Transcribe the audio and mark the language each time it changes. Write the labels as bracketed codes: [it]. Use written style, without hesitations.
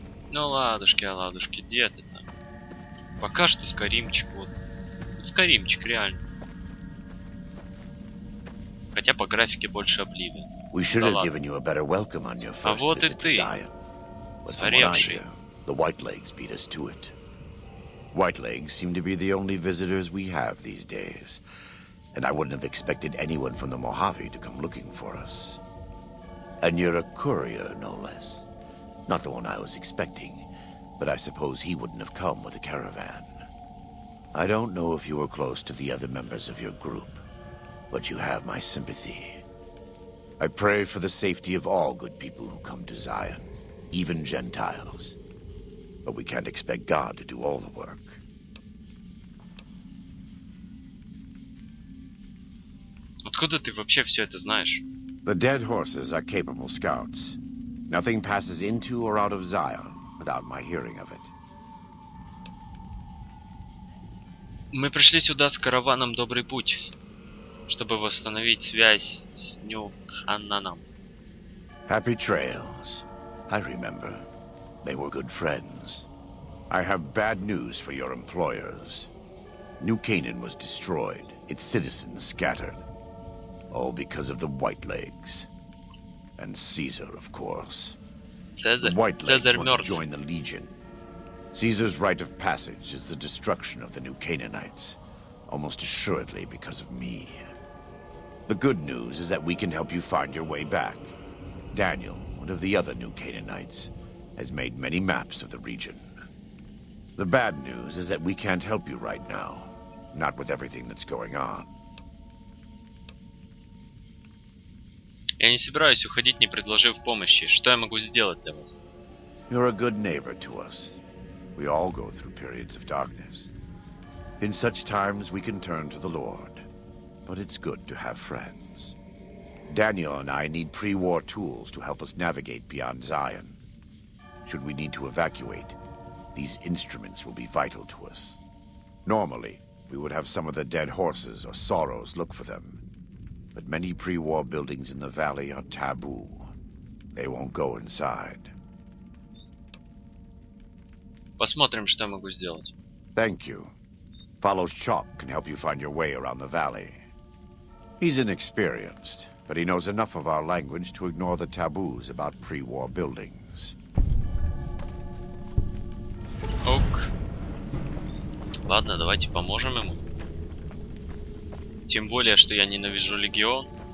[ru] Ну ладушки, а ладушки, где ты там? Пока что Скоримчик вот. Скоримчик, реально. Хотя по графике больше обливы. [en] We should have given you a better welcome on your first visit. [ru] А вот и ты. Сгоревший. [en] The White Legs beat us to it. White Legs seem to be the only visitors we have these days. And I wouldn't have expected anyone from the Mojave to come looking for us. And you're a courier, no less. Not the one I was expecting, but I suppose he wouldn't have come with a caravan. I don't know if you were close to the other members of your group, but you have my sympathy. I pray for the safety of all good people who come to Zion, even Gentiles. But we can't expect God to do all the work. [ru] Вот Откуда ты вообще все это знаешь? [en] The dead horses are capable scouts. Nothing passes into or out of Zion without my hearing of it. [ru] Мы пришли сюда с караваном Добрый Путь, чтобы восстановить связь с Нью-Хананом. [en] Happy trails. I remember. They were good friends. I have bad news for your employers. New Canaan was destroyed, its citizens scattered. All because of the White Legs. And Caesar, of course. Caesar. The White Caesar Legs want to join the Legion. Caesar's rite of passage is the destruction of the New Canaanites, almost assuredly because of me. The good news is that we can help you find your way back. Daniel, one of the other New Canaanites, has made many maps of the region. The bad news is that we can't help you right now, not with everything that's going on. [ru] Я не собираюсь уходить, не предложив помощи. Что я могу сделать для вас? [en] You're a good neighbor to us. We all go through periods of darkness. In such times, we can turn to the Lord. But it's good to have friends. Daniel and I need pre-war tools to help us navigate beyond Zion. Should we need to evacuate, these instruments will be vital to us. Normally, we would have some of the dead horses or sorrows look for them. But many pre-war buildings in the valley are taboo. They won't go inside. [ru] Посмотрим, что я могу сделать. [en] Thank you. Follows Chalk can help you find your way around the valley. He's inexperienced, but he knows enough of our language to ignore the taboos about pre-war buildings. [ru] Ок. Ладно, давайте поможем ему. Тем более, что я ненавижу Легион.